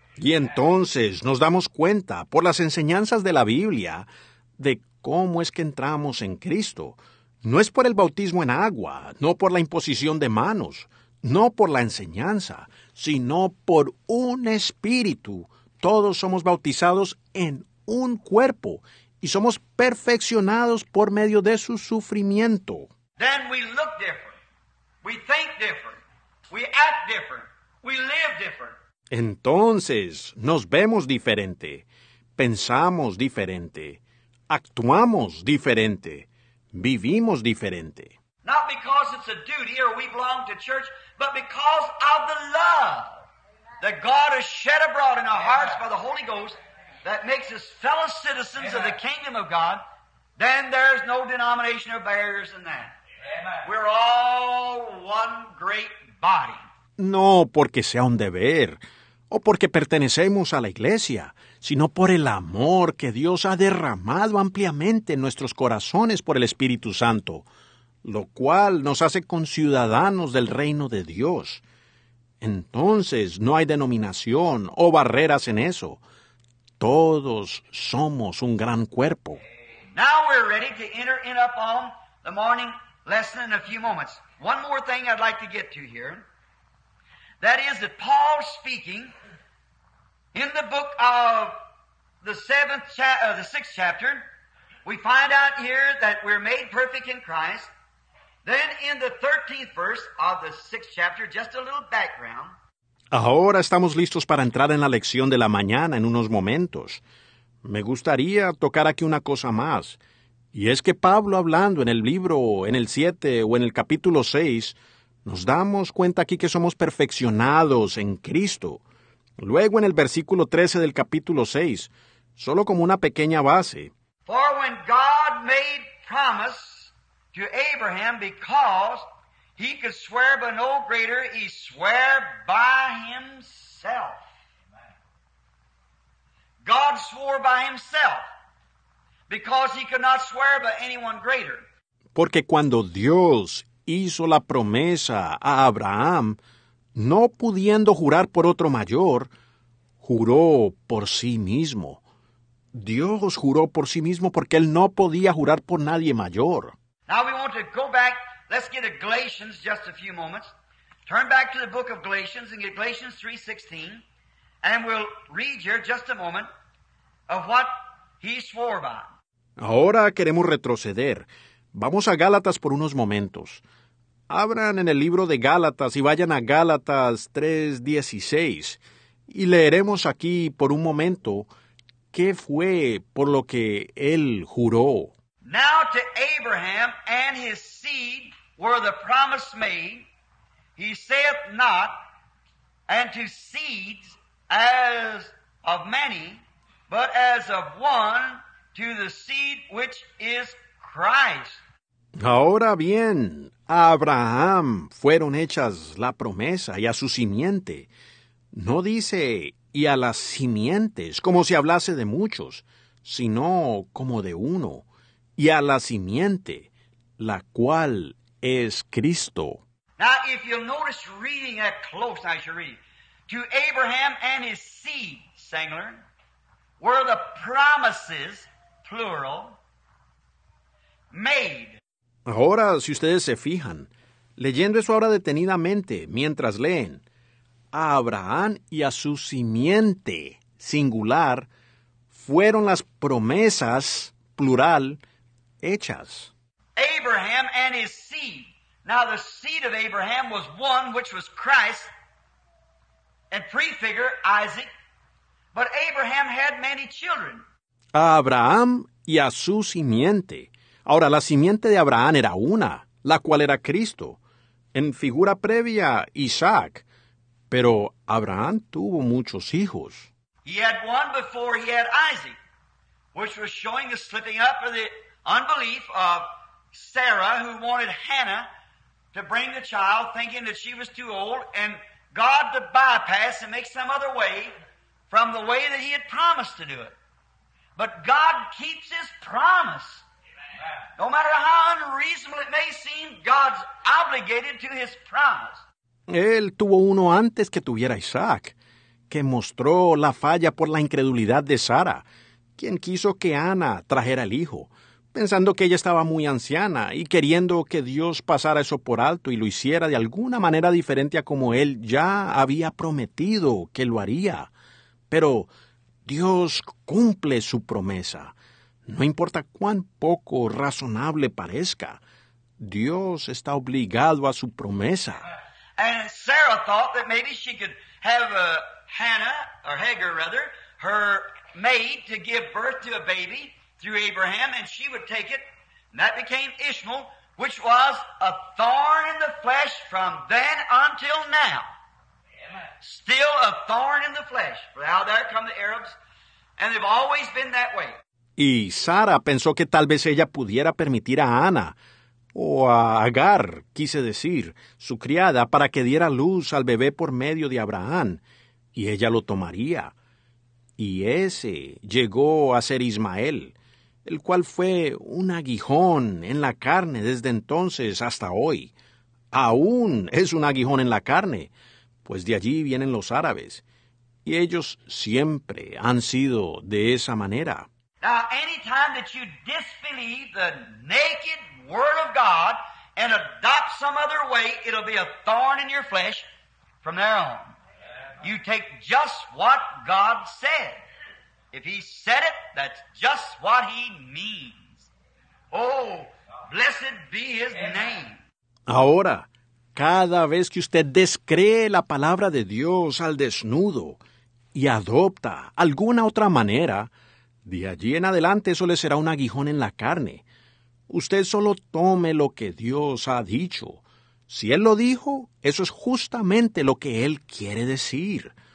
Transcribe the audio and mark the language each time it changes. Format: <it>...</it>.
<es>Y entonces nos damos cuenta, por las enseñanzas de la Biblia, de cómo es que entramos en Cristo. No es por el bautismo en agua, no por la imposición de manos, no por la enseñanza, sino por un espíritu. Todos somos bautizados en un cuerpo y somos perfeccionados por medio de su sufrimiento.</es> <en>Then we look different. We think different. We act different. We live different.</en> <es>Entonces, nos vemos diferente. Pensamos diferente. Actuamos diferente. vivimos diferente.</es> <en>Not because it's a duty or we belong to church, but because of the love that God has shed abroad in our hearts by the Holy Ghost that makes us fellow citizens of the kingdom of God, then there's no denomination or barriers in that. We're all one great body.</en> <es>No porque sea un deber o porque pertenecemos a la iglesia, sino por el amor que Dios ha derramado ampliamente en nuestros corazones por el Espíritu Santo, lo cual nos hace conciudadanos del reino de Dios. Entonces, no hay denominación o barreras en eso. Todos somos un gran cuerpo.</es> <en>Now we're ready to enter in upon the morning lesson in a few moments. One more thing I'd like to get to here. That is that Paul speaking in the book of the sixth chapter, we find out here that we're made perfect in Christ. Then in the 13th verse of the sixth chapter, just a little background.</en> <es>Ahora estamos listos para entrar en la lección de la mañana en unos momentos. Me gustaría tocar aquí una cosa más. Y es que Pablo hablando en el libro, en el 7 o en el capítulo 6, nos damos cuenta aquí que somos perfeccionados en Cristo. Luego en el versículo 13 del capítulo 6, solo como una pequeña base.</es> <en>For when God made promise to Abraham because he could swear by no greater, he swear by himself. God swore by himself because he could not swear by anyone greater.</en> <es>Porque cuando Dios hizo la promesa a Abraham, no pudiendo jurar por otro mayor, juró por sí mismo. Dios juró por sí mismo porque él no podía jurar por nadie mayor.</es> <en>Now we want to go back, let's get to Galatians just a few moments. Turn back to the book of Galatians and get Galatians 3:16. And we'll read here just a moment of what he swore by.</en> <es>Ahora queremos retroceder. Vamos a Gálatas por unos momentos. Abran en el libro de Gálatas y vayan a Gálatas 3:16 y leeremos aquí por un momento qué fue por lo que él juró.</es> <en>Now to Abraham and his seed were the promise made. He saith not, and to seeds as of many, but as of one, to the seed which is Christ.</en> <es>Ahora bien, a Abraham fueron hechas la promesa y a su simiente. No dice, y a las simientes, como si hablase de muchos, sino como de uno, y a la simiente, la cual es Cristo.</es> <en>Now, if you'll notice reading that close, I should read, to Abraham and his seed, Sangler, were the promises, plural, made.</en> <es>Ahora, si ustedes se fijan, leyendo eso ahora detenidamente, mientras leen, a Abraham y a su simiente, singular, fueron las promesas, plural, hechas.</es> <en>Abraham and his seed. Now, the seed of Abraham was one, which was Christ, and prefigure Isaac. But Abraham had many children.</en> <es>A Abraham y a su simiente. Ahora, la simiente de Abraham era una, la cual era Cristo. En figura previa, Isaac. Pero Abraham tuvo muchos hijos.</es> <en>He had one before he had Isaac, which was showing the slipping up of the unbelief of Sarah, who wanted Hannah to bring the child, thinking that she was too old, and God to bypass and make some other way from the way that he had promised to do it. But God keeps his promise. No matter how unreasonable it may seem, God's obligated to his promise.</en> <es>Él tuvo uno antes que tuviera Isaac, que mostró la falla por la incredulidad de Sara, quien quiso que Ana trajera el hijo, pensando que ella estaba muy anciana y queriendo que Dios pasara eso por alto y lo hiciera de alguna manera diferente a como él ya había prometido que lo haría. Pero Dios cumple su promesa. No importa cuán poco razonable parezca, Dios está obligado a su promesa.</es> <en>And Sarah thought that maybe she could have Hagar, her maid, to give birth to a baby through Abraham, and she would take it, And that became Ishmael, which was a thorn in the flesh from then until now. Amen. Still a thorn in the flesh. Now there come the Arabs, and they've always been that way.</en> <es>Y Sara pensó que tal vez ella pudiera permitir a Ana, o a Agar, quise decir, su criada, para que diera luz al bebé por medio de Abraham, y ella lo tomaría. Y ese llegó a ser Ismael, el cual fue un aguijón en la carne desde entonces hasta hoy. Aún es un aguijón en la carne, pues de allí vienen los árabes, y ellos siempre han sido de esa manera.</es> <en>Now, any time that you disbelieve the naked word of God and adopt some other way, it'll be a thorn in your flesh from there on. You take just what God said. If he said it, that's just what he means. Oh, blessed be his name.</en> <es>Ahora, cada vez que usted descree la palabra de Dios al desnudo y adopta alguna otra manera, de allí en adelante eso le será un aguijón en la carne. Usted solo tome lo que Dios ha dicho. Si Él lo dijo, eso es justamente lo que Él quiere decir.</es>